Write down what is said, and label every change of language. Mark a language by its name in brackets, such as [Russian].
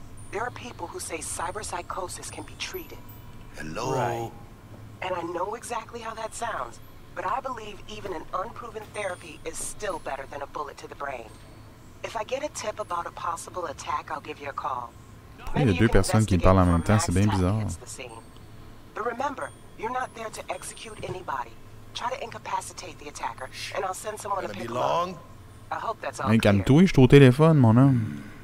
[English] There are people who say cyberpsychosis can be treated. Hello? Right. And I know exactly how that sounds, but I believe even an unproven therapy is still better than a bullet to the brain. If I get a tip about a possible attack, I'll give you a call. [French] Il y a deux personnes qui parlent en même temps, c'est bien bizarre. [English] But remember, you're not there to execute anybody. Try to incapacitate the attacker, and I'll send someone to pick him long. Up. I hope that's all clear. [French] Calme-toi, je suis au téléphone, mon homme.